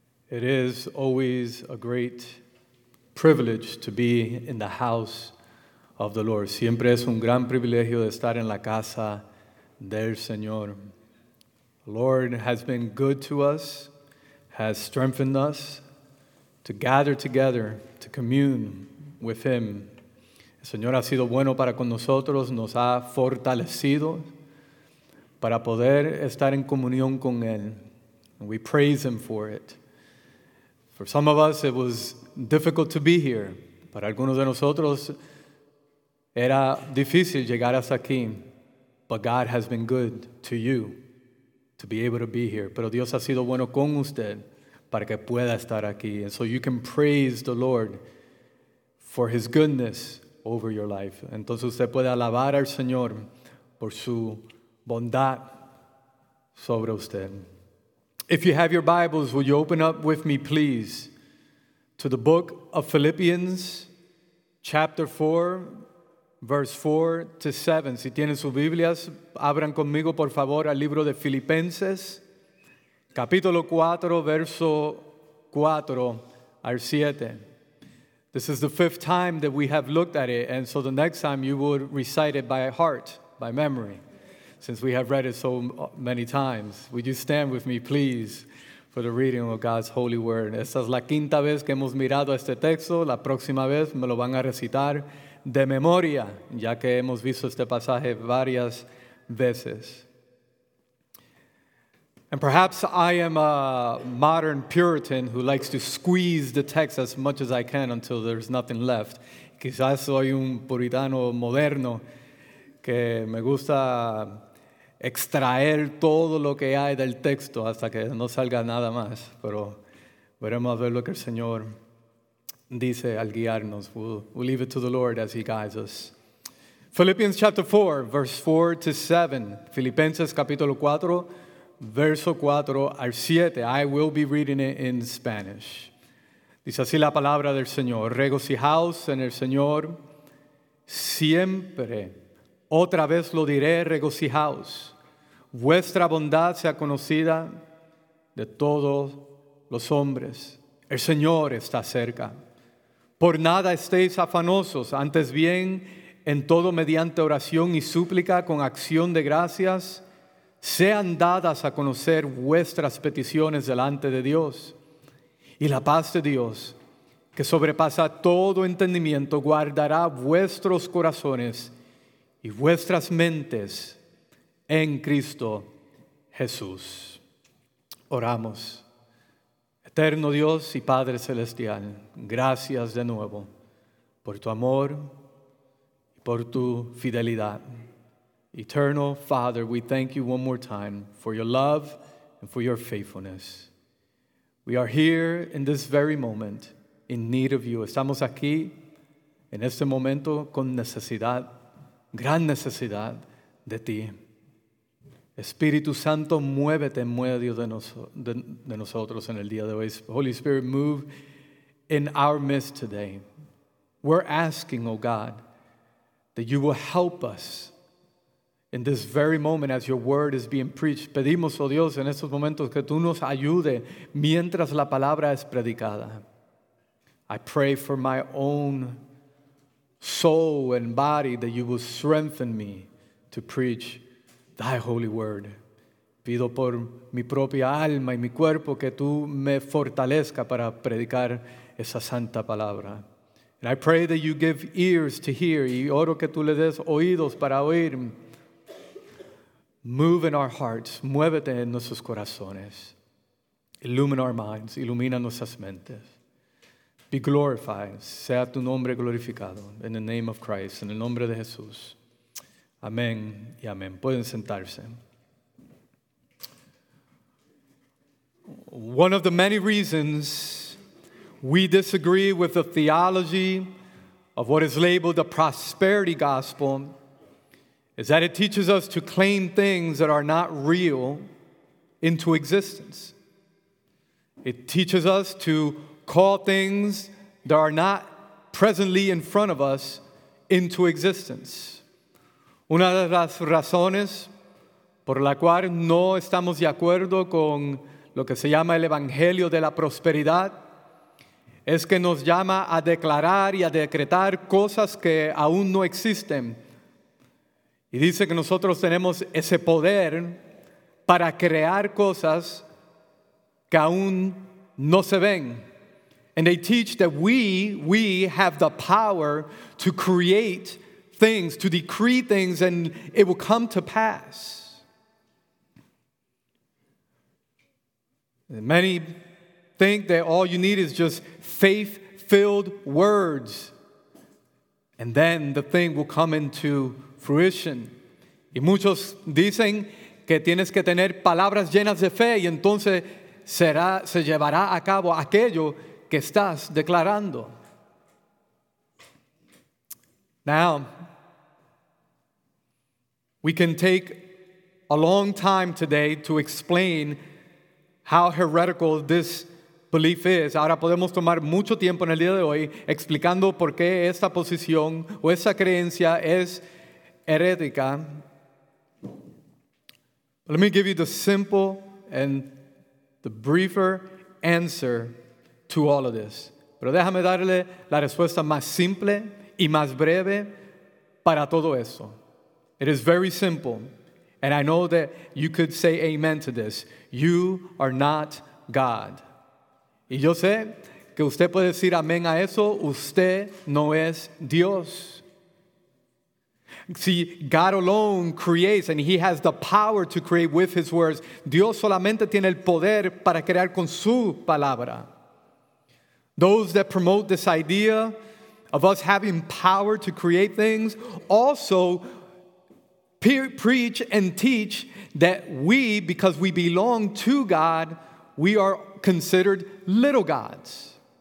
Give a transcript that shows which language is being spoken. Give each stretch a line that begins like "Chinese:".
English: It is always a great privilege to be in the house of the Lord.
Spanish: Siempre es un gran privilegio de estar en la casa del Señor.
English: The Lord has been good to us, has strengthened us to gather together, to commune with Him.
Spanish: El Señor ha sido bueno para con nosotros, nos ha fortalecido para poder estar en comunión con Él.
English: And we praise Him for it. For some of us, it was difficult to be here.
Spanish: Para algunos de nosotros, era difícil llegar hasta aquí.
English: But God has been good to you to be able to be here.
Spanish: Pero Dios ha sido bueno con usted para que pueda estar aquí.
English: And so you can praise the Lord for His goodness over your life.
Spanish: Entonces usted puede alabar al Señor por su bondad sobre usted.
English: If you have your Bibles, will you open up with me, please, to the book of Philippians, chapter 4, verse 4 to 7.
Spanish: Si tienen sus Biblias, abran conmigo, por favor, al libro de Filipenses, capítulo 4, verso 4 al 7.
English: This is the fifth time that we have looked at it, and so the next time you would recite it by heart, by memory, since we have read it so many times. Would you stand with me, please, for the reading of God's holy word?
Spanish: Esta es la quinta vez que hemos mirado este texto. La próxima vez me lo van a recitar de memoria, ya que hemos visto este pasaje varias veces.
English: And perhaps I am a modern Puritan who likes to squeeze the text as much as I can until there's nothing left.
Spanish: Quizás soy un puritano moderno que me gusta extraer todo lo que hay del texto hasta que no salga nada más. Pero veremos a ver lo que el Señor dice al guiarnos.
English: We'll leave it to the Lord as He guides us. Philippians chapter 4, verse 4 to 7.
Spanish: Filipenses capítulo 4, verso 4 al 7.
English: I will be reading it in Spanish.
Spanish: Dice así la palabra del Señor. Regocijaos en el Señor siempre. Otra vez lo diré, regocijaos. Vuestra bondad sea conocida de todos los hombres. El Señor está cerca. Por nada estéis afanosos, antes bien, en todo mediante oración y súplica, con acción de gracias, sean dadas a conocer vuestras peticiones delante de Dios. Y la paz de Dios, que sobrepasa todo entendimiento, guardará vuestros corazones y vuestras mentes en Cristo Jesús. Oramos. Eterno Dios y Padre Celestial, gracias de nuevo por tu amor y por tu fidelidad.
English: Eternal Father, we thank you one more time for your love and for your faithfulness. We are here in this very moment in need of you.
Spanish: Estamos aquí en este momento con necesidad, gran necesidad de ti. Espíritu Santo, muévete en medio de nosotros en el día de hoy.
English: Holy Spirit, move in our midst today. We're asking, oh God, that you will help us in this very moment as your word is being preached.
Spanish: Pedimos, oh Dios, en estos momentos que tú nos ayude mientras la palabra es predicada.
English: I pray for my own soul and body that you will strengthen me to preach thy holy word.
Spanish: Pido por mi propia alma y mi cuerpo que tú me fortalezca para predicar esa santa palabra.
English: And I pray that you give ears to hear.
Spanish: Y oro que tú le des oídos para oír.
English: Move in our hearts.
Spanish: Muévete en nuestros corazones.
English: Illumine our minds.
Spanish: Ilumina nuestras mentes.
English: Be glorified.
Spanish: Sea tu nombre glorificado.
English: In the name of Christ.
Spanish: En el nombre de Jesús. Amén y amén. Pueden sentarse.
English: One of the many reasons we disagree with the theology of what is labeled the prosperity gospel is that it teaches us to claim things that are not real into existence. It teaches us to call things that are not presently in front of us into existence.
Spanish: Una de las razones por la cual no estamos de acuerdo con lo que se llama el Evangelio de la prosperidad, es que nos llama a declarar y a decretar cosas que aún no existen. Y dice que nosotros tenemos ese poder para crear cosas que aún no se ven.
English: And they teach that we have the power to create things, to decree things, and it will come to pass. And many think that all you need is just faith-filled words, and then the thing will come into fruition.
Spanish: Y muchos dicen que tienes que tener palabras llenas de fe, y entonces se llevará a cabo aquello que estás declarando.
English: Now, we can take a long time today to explain how heretical this belief is.
Spanish: Ahora podemos tomar mucho tiempo en el día de hoy explicando por qué esta posición o esta creencia es herética.
English: Let me give you the simple and the briefer answer to all of this.
Spanish: Pero déjame darle la respuesta más simple y más breve para todo eso.
English: It is very simple, and I know that you could say amen to this. You are not God.
Spanish: Y yo sé que usted puede decir amén a eso. Usted no es Dios.
English: See, God alone creates, and he has the power to create with his words.
Spanish: Dios solamente tiene el poder para crear con su palabra.
English: Those that promote this idea of us having power to create things also preach and teach that we, because we belong to God, we are considered little gods.